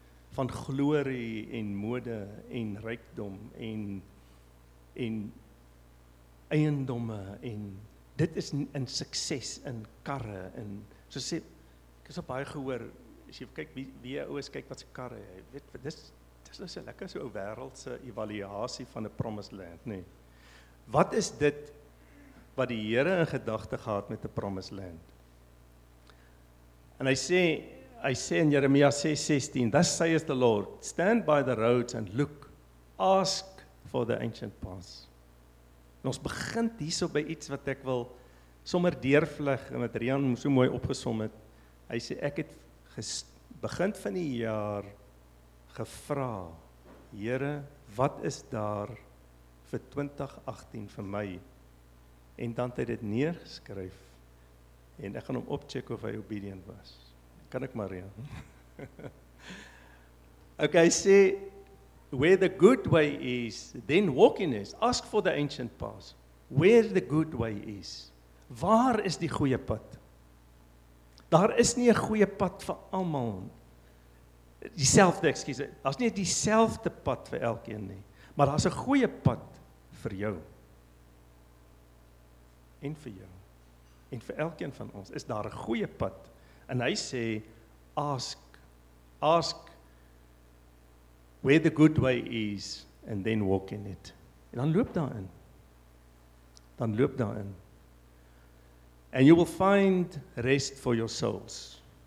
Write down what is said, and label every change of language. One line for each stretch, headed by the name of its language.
Afrikaans: Van glorie en mode en rykdom en eiendomme en dit is in sukses in karre en so sê ek het so baie gehoor as jy kyk wie oues kyk wat se karre hy weet dis nou so lekker so ou wêreldse evaluasie van 'n promised land nê. Wat is dit wat die Here in gedagte gehad met 'n promised land? En hy sê in Jeremia
English: 6:16, thus saith the Lord, stand by the roads and look, ask for the ancient paths.
Afrikaans: En ons begint hierso by iets wat ek wil sommer deurvlug en wat Rian so mooi opgesom het. Hy sê, ek het begin van die jaar gevra, Here, wat is daar vir 2018 vir my? En dan het hy dit neergeskryf en ek gaan hom opcheck of hy obedient was. Kan ek maar, Rian?
English: Ok,
Afrikaans: hy sê,
English: where the good way is, then walk in it. Ask for the ancient paths. Where the good way is.
Afrikaans: Waar is die goeie pad? Daar is nie 'n goeie pad vir almal. Daar's nie dieselfde pad vir elkeen nie. Maar daar's 'n goeie pad vir jou. En vir jou. En vir elkeen van ons is daar 'n goeie pad. En hy sê,
English: ask where the good way is, and then walk in it.
Afrikaans: En dan loop daarin.
English: Dan loop daarin. And you will find rest for your souls.